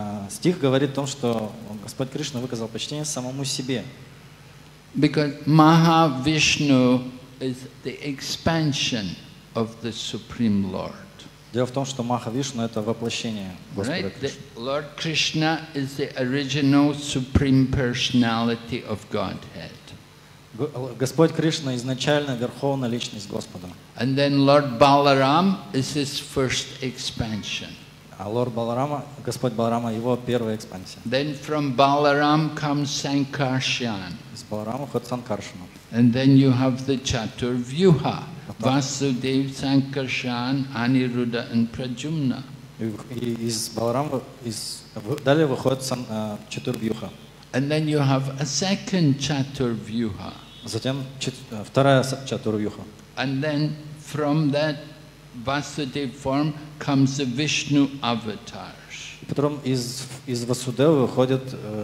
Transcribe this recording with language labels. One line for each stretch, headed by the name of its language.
Russian: Стих говорит о том, что Господь Кришна выказал почтение самому себе.
English: Because Mahavishnu is the expansion of the Supreme Lord.
Russian: Дело в том, что Махавишна — это воплощение Господа Кришны.
English: Lord Krishna is the original Supreme Personality of Godhead.
Russian: Господь Кришна — изначально верховная личность Господа.
English: And then Lord Balaram is his first expansion.
Russian: А Лорд Баларама, Господь Баларама, его первая экспансия.
English: Then from Balaram comes Sankarshan.
Russian: Из Баларама ход Санкаршана.
English: And then you have the Chaturvyuha, Vasudev, Sankarshan, Aniruddha and Prajumna.
Russian: Из Баларама далее выходит Chaturvyuha.
English: And then you have a second Chaturvyuha.
Russian: Затем вторая Chaturvyuha.
English: And then from that Vasudev form comes the Vishnu avatars.
Russian: Потом из Васудевы выходят